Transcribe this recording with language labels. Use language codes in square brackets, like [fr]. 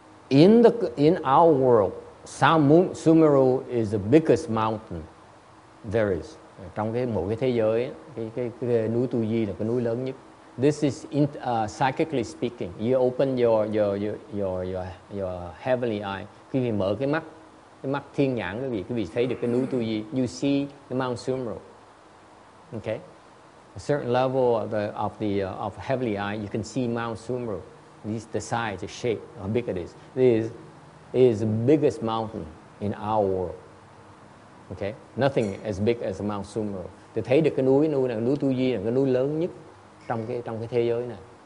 [en] In our world, Sumeru is the biggest mountain there is. [vi] Trong cái một cái thế giới cái núi Tu Di là cái núi lớn nhất. [en] This is psychically speaking, you open your heavenly eye, [vi] khi vị mở cái mắt thiên nhãn, cái vị thấy được cái núi Tu Di, [en] you see the Mount Sumeru. Okay, a certain level of heavenly eye, you can see Mount Sumeru. This the size, the shape, how big it is. This is the biggest mountain in our world. Okay, nothing as big as Mount Sumeru. [vi] thì thấy được cái núi, núi là núi Tu Di, là cái núi lớn nhất trong cái thế giới này.